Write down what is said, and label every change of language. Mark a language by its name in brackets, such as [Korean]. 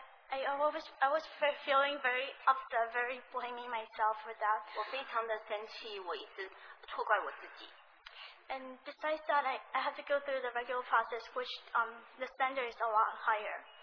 [English] I was feeling very upset, very blaming myself for that. [Chinese] 我非常的生气，我一直错怪我自己。 [English] And besides that, I have to go through the regular process, which the standard is a lot higher.